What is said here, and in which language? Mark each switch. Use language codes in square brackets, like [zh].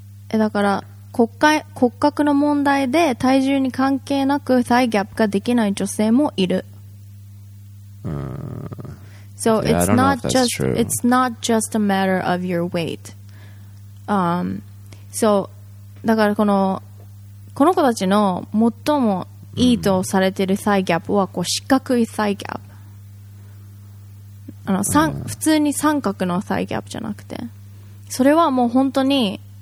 [ja] だから骨格の問題で体重に関係なくサイギャップができない女性もいる。 [en] So yeah, it's not just it's not just a matter of your weight. So [ja] だからこの子たちの最もいいとされているサイギャップはこう四角いサイギャップ。普通に三角のサイギャップじゃなくて、それはもう本当に。